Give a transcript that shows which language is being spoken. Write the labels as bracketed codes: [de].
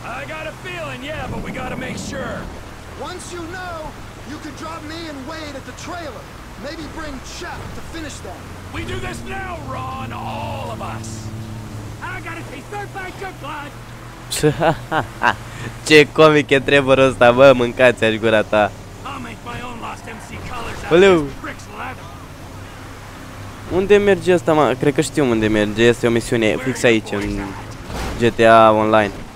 [en] I got a feeling, yeah, but we gotta make sure. Once you know, you can drop me and Wade at the trailer. Maybe bring Chuck to finish them. We do this now, Ron, all of us. I gotta taste their bite of blood. [ro] Ce comic e Trevor ăsta, bă, mâncați-aș gura ta. [en] I'll make my own lost MC colors out of this bricks ladder. [ro] Unde merge asta, mă? Cred că știu unde merge. Este o misiune fix aici în GTA Online.